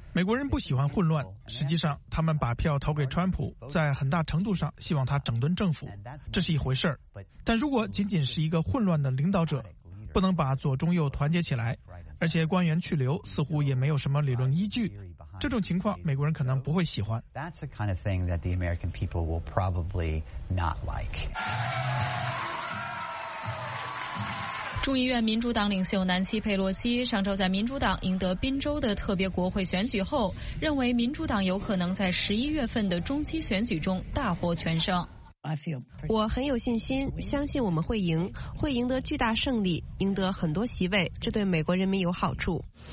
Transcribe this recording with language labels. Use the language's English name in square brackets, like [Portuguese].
[Chinese] 美国人不喜欢混乱，实际上他们把票投给川普，在很大程度上希望他整顿政府，这是一回事儿。但如果仅仅是一个混乱的领导者，不能把左中右团结起来，而且官员去留似乎也没有什么理论依据，这种情况美国人可能不会喜欢。 [English] That's the kind of thing that the American people will probably not like. [Chinese] 众议院民主党领袖南希·佩洛西上周在民主党赢得宾州的特别国会选举后，认为民主党有可能在11月份的中期选举中大获全胜。我很有信心，相信我们会赢，会赢得巨大胜利，赢得很多席位，这对美国人民有好处。